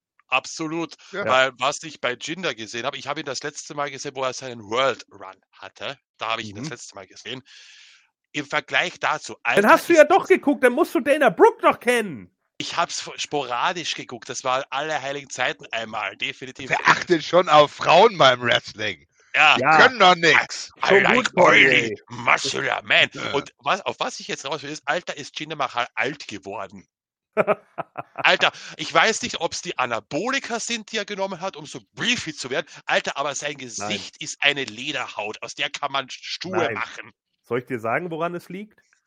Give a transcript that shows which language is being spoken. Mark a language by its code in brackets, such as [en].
[de] Absolut, weil was ich bei Jinder gesehen habe, ich habe ihn das letzte Mal gesehen, wo er seinen World Run hatte, da habe ich ihn das letzte Mal gesehen, im Vergleich dazu. Dann hast du ja doch geguckt, dann musst du Dana Brooke noch kennen. Ich habe es sporadisch geguckt, das war alle heiligen Zeiten einmal, definitiv. Verachtet schon auf Frauen beim Wrestling. Ja. Die können doch nichts. [en] I like oily, muscular man. [de] Und auf was ich jetzt raus will, ist, Alter, ist Jinder Mahal alt geworden. Alter, ich weiß nicht, ob es die Anabolika sind, die er genommen hat, um so briefy zu werden. Alter, aber sein Gesicht ist eine Lederhaut, aus der kann man Stuhl machen. Soll ich dir sagen, woran es liegt?